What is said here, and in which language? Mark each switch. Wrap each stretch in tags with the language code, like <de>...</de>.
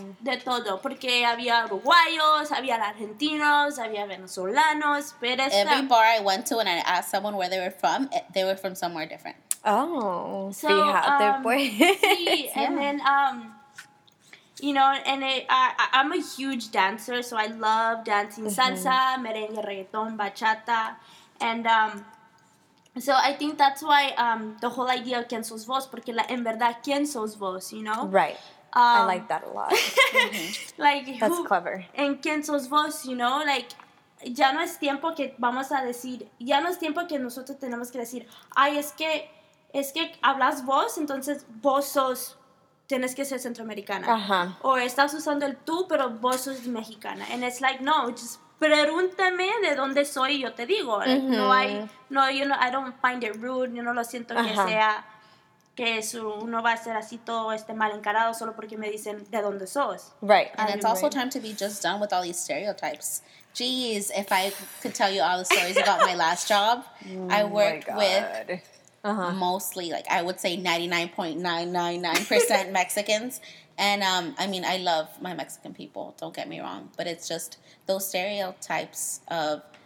<es>De todo, porque había uruguayos, había argentinos, había venezolanos, pero</es> <en>every bar I went to and I asked someone where they were from somewhere different. Oh, so,</en> <es>fíjate, pues.</es> <en>Sí, and then, you know, and I'm a huge dancer, so I love dancing salsa, mm-hmm. merengue, reggaeton, bachata, and, so I think that's why, the whole idea of</en> <es>quién sos vos, porque en verdad, quién sos vos,</es> <en>you know? Right. I like that a lot. Mm-hmm. Like, that's who, clever. And</en> <es>quién sos vos,</es> <en>you know?</en> <es>Like, ya no es tiempo que vamos a decir, ya no es tiempo que nosotros tenemos que decir, ay, es que hablas vos, entonces vos sos, tienes que ser centroamericana. Uh-huh. O estás usando el tú, pero vos sos mexicana.</es> <en>And it's like, no, just</en> <es>pregúntame de dónde soy y yo te digo. Like, mm-hmm.</es> <en>I don't find it rude,</en> <es>yo no lo siento uh-huh. que sea... que uno va a ser así todo este mal encarado solo porque me dicen de dónde sos.</es> <en>Right. And it's also time to be just done with all these stereotypes. Jeez, if I could tell you all the stories about my last job, I worked with mostly, like, I would say 99.999% Mexicans. And, I mean, I love my Mexican people, don't get me wrong, but it's just those stereotypes of...</en>